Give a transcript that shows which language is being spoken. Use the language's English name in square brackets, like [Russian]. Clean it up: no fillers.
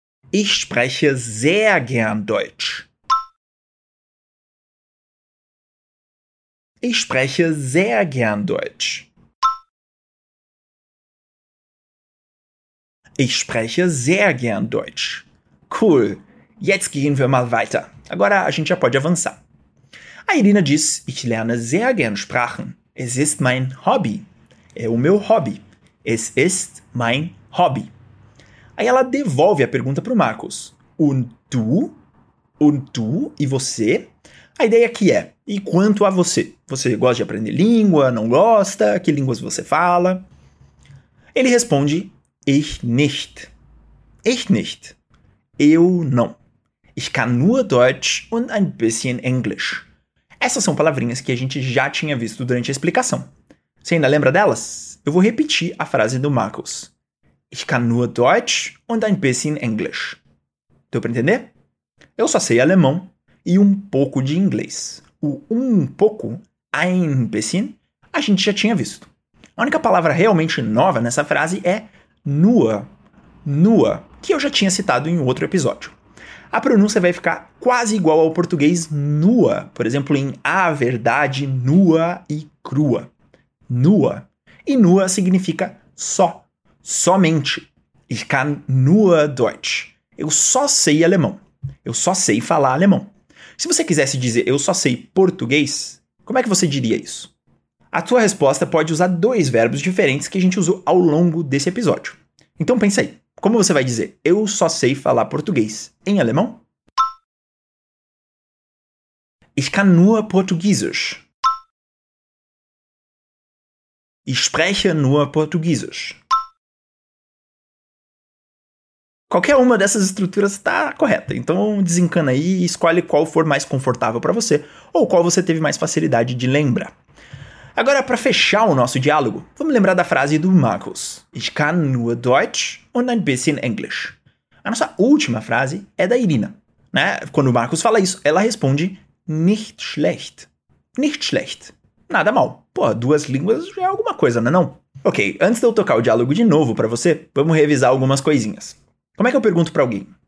[German] Ich spreche sehr gern Deutsch. Ich spreche sehr gern Deutsch. Ich spreche sehr gern Deutsch. Cool. Jetzt gehen wir mal weiter. [Portuguese] Agora a gente já pode avançar. A Irina diz, [German] ich lerne sehr gern Sprachen. Es ist mein Hobby. [Portuguese] É o meu hobby. [German] Es ist mein Hobby. [Portuguese] Aí ela devolve a pergunta para o Marcos. [German] Und du? Und du? [Portuguese] E você? A ideia aqui é, e quanto a você? Você gosta de aprender língua? Não gosta? Que línguas você fala? Ele responde, [German] ich nicht. Ich nicht. [Portuguese] Eu não. [German] Ich kann nur Deutsch und ein bisschen Englisch. [Portuguese] Essas são palavrinhas que a gente já tinha visto durante a explicação. Você ainda lembra delas? Eu vou repetir a frase do Marcos. [German] Ich kann nur Deutsch und ein bisschen Englisch. [Portuguese] Deu pra entender? Eu só sei alemão e um pouco de inglês. O um pouco, [German] ein bisschen, [Portuguese] a gente já tinha visto. A única palavra realmente nova nessa frase é nur. Nur, que eu já tinha citado em outro episódio. A pronúncia vai ficar quase igual ao português nua, por exemplo, em a verdade nua e crua. Nua. E nua significa só, somente. [German] Ich kann nur Deutsch. [Portuguese] Eu só sei alemão. Eu só sei falar alemão. Se você quisesse dizer eu só sei português, como é que você diria isso? A tua resposta pode usar dois verbos diferentes que a gente usou ao longo desse episódio. Então pensa aí. Como você vai dizer eu só sei falar português em alemão? [German] Ich kann nur Portugiesisch. Ich spreche nur Portugiesisch. [Portuguese] Qualquer uma dessas estruturas está correta, então desencana aí e escolhe qual for mais confortável para você ou qual você teve mais facilidade de lembrar. Agora, para fechar o nosso diálogo, vamos lembrar da frase do Markus. [German] Ich kann nur Deutsch und ein bisschen Englisch. [Portuguese] A nossa última frase é da Irina. Né? Quando o Markus fala isso, ela responde [German] nicht schlecht. Nicht schlecht. [Portuguese] Nada mal. Pô, duas línguas já é alguma coisa, não é não? Ok, antes de eu tocar o diálogo de novo para você, vamos revisar algumas coisinhas. Como é que eu pergunto para alguém?